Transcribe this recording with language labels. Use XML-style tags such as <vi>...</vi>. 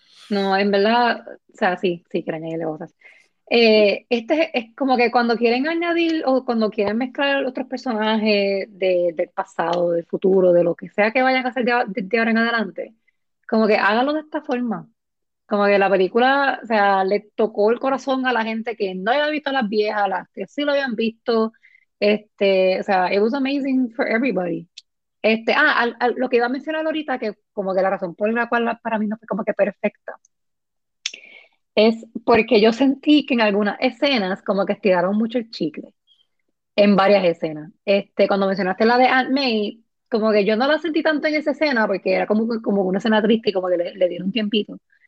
<es>No, en verdad, o sea, sí, quieren añadirle cosas. Este es como que cuando quieren añadir o cuando quieren mezclar otros personajes del pasado, del futuro, de lo que sea que vayan a hacer de ahora en adelante, como que háganlo de esta forma. Como que la película, o sea, le tocó el corazón a la gente que no había visto a las viejas, a las que sí lo habían visto. O sea,</es> <en>it was amazing for everybody.</en> <es>Lo que iba a mencionar ahorita, que como que la razón por la cual para mí no fue como que perfecta, es porque yo sentí que en algunas escenas como que estiraron mucho el chicle, en varias escenas. Cuando mencionaste la de Aunt May, como que yo no la sentí tanto en esa escena, porque era como una escena triste y como que le dieron tiempito.</es>